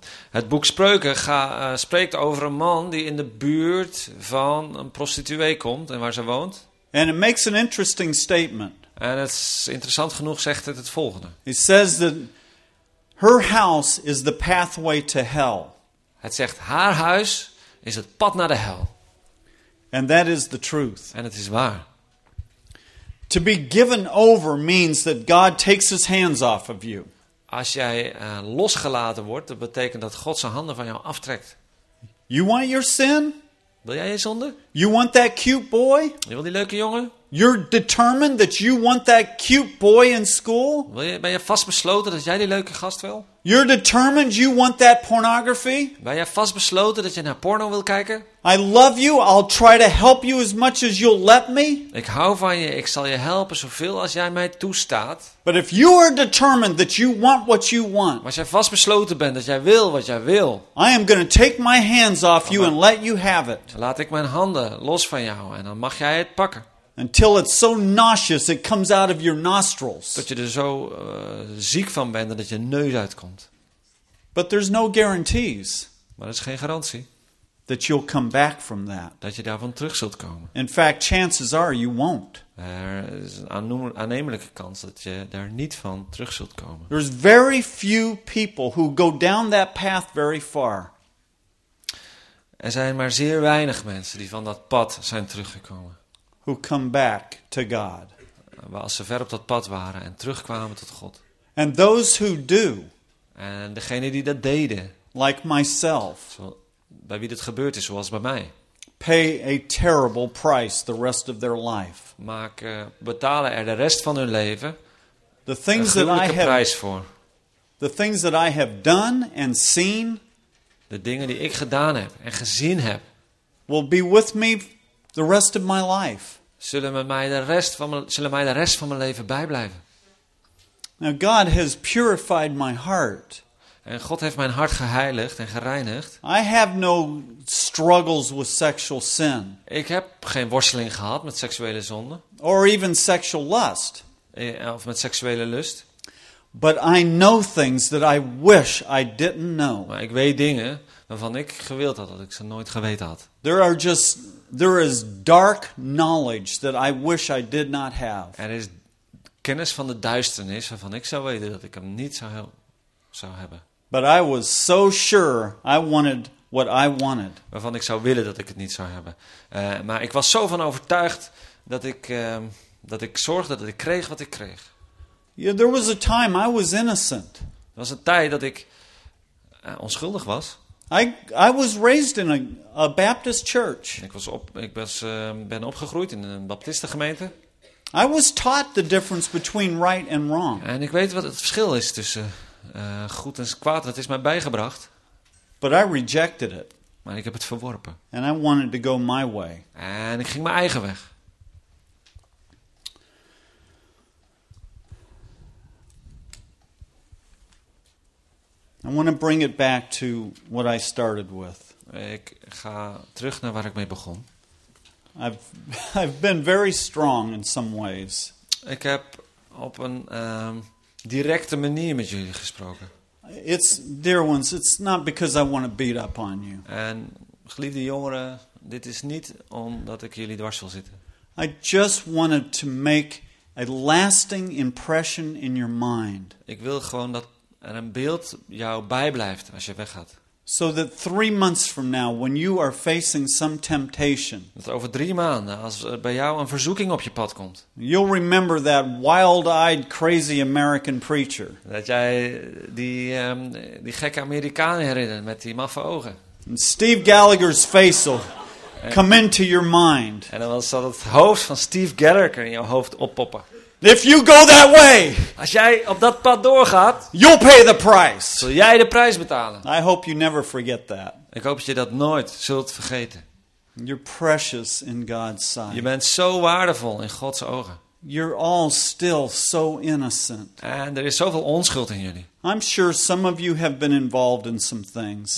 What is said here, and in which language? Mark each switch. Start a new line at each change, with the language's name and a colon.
Dutch: Het boek Spreuken spreekt over een man die in de buurt van een prostituee komt en waar ze woont.
English: And it makes an interesting statement.
Dutch: En het is interessant genoeg zegt het volgende.
English: It says that her house is the pathway to hell.
Dutch: Het zegt haar huis is het pad naar de hel.
English: And that is the truth.
Dutch: En het is waar.
English: To be given over means that God takes his hands off of you.
Dutch: Als jij losgelaten wordt, dat betekent dat God zijn handen van jou aftrekt.
English: You want your sin?
Dutch: Wil jij je zonde?
English: You want that cute boy?
Dutch: Je wil die leuke jongen?
English: You're determined that you want that cute boy in school?
Dutch: Ben je vastbesloten dat jij die leuke gast wil?
English: You're determined you want that pornography?
Dutch: Ben je vastbesloten dat je naar porno wil kijken?
English: I love you. I'll try to help you as much as you'll let me.
Dutch: Ik hou van je. Ik zal je helpen zoveel als jij mij toestaat.
English: But if you are determined that you want what you want.
Dutch: Als jij vastbesloten bent dat jij wil wat jij wil.
English: I am going to take my hands off you and let you have it.
Dutch: Laat ik mijn handen los van jou en dan mag jij het pakken.
English: Until it's so nauseous it comes out of your nostrils.
Dutch: Dat je er zo ziek van bent dat je neus uitkomt.
English: But there's no guarantees.
Dutch: Maar er is geen garantie.
English: That you'll come back from that.
Dutch: Dat je daarvan terug zult komen.
English: In fact, chances are you won't.
Dutch: Er is een aannemelijke kans dat je daar niet van terug zult komen.
English: There's very few people who go down that path very far.
Dutch: Er zijn maar zeer weinig mensen die van dat pad zijn teruggekomen.
English: Who come back to God.
Dutch: Als ze ver op dat pad waren en terugkwamen tot God.
English: And those who do.
Dutch: En degene die dat deden.
English: Like myself.
Dutch: Bij wie dit gebeurd is, zoals bij mij.
English: Pay a terrible price the rest of their life.
Dutch: Betalen er de rest van hun leven.
English: The things that I have,
Dutch: prijs voor.
English: The things that I have done and seen.
Dutch: De dingen die ik gedaan heb en gezien heb.
English: Will be with me the rest of my life.
Dutch: Zullen mij de rest van mijn leven bijblijven.
English: Now God has purified my heart.
Dutch: En God heeft mijn hart geheiligd en gereinigd.
English: I have no struggles with sexual sin.
Dutch: Ik heb geen worsteling gehad met seksuele zonde.
English: Or even sexual lust.
Dutch: Of met seksuele lust.
English: But I know things that I wish I didn't know.
Dutch: Maar ik weet dingen waarvan ik gewild had dat ik ze nooit geweten had.
English: There is dark knowledge that I wish I did not have.
Dutch: Er is kennis van de duisternis waarvan ik zou weten dat ik hem niet zou hebben.
English: But I was so sure I wanted what I wanted.
Dutch: Waarvan ik zou willen dat ik het niet zou hebben. Maar ik was zo van overtuigd dat ik zorgde dat ik kreeg wat ik kreeg.
English: Yeah, there was a time I was innocent.
Dutch: Er was een tijd dat ik onschuldig was.
English: I was raised in a Baptist church.
Dutch: Ik ben opgegroeid in een baptistengemeente.
English: I was taught the difference between right and wrong.
Dutch: En ik weet wat het verschil is tussen goed en kwaad, dat is mij bijgebracht.
English: But I rejected it.
Dutch: Maar ik heb het verworpen.
English: And I wanted to go my way.
Dutch: En ik ging mijn eigen weg.
English: I want to bring it back to what I started with.
Dutch: Ik ga terug naar waar ik mee begon.
English: I've been very strong in some ways.
Dutch: Ik heb op een directe manier met jullie gesproken.
English: It's, dear ones, it's not because I want to beat up on you.
Dutch: En geliefde jongeren, dit is niet omdat ik jullie dwars wil zitten.
English: I just wanted to make a lasting impression in your mind.
Dutch: Ik wil gewoon dat er een beeld jou bijblijft als je weggaat.
English: So that 3 months from now, when you are facing some temptation,
Dutch: dat over 3 maanden, als er bij jou een verzoeking op je pad komt,
English: you'll remember that wild-eyed, crazy American preacher.
Dutch: Dat jij die gekke Amerikaan herinnert met die maffe ogen.
English: And Steve Gallagher's face will come into your mind.
Dutch: En dan zal het hoofd van Steve Gallagher in jouw hoofd oppoppen.
English: If you go that way,
Dutch: als jij op dat pad doorgaat,
English: you'll pay the price.
Dutch: Zul jij de prijs betalen.
English: I hope you never forget that.
Dutch: Ik hoop dat je dat nooit zult vergeten.
English: You're precious in God's sight.
Dutch: Je bent zo waardevol in Gods ogen.
English: You're all still so innocent.
Dutch: En er is zoveel onschuld in jullie.
English: I'm sure some of you have been involved in some things.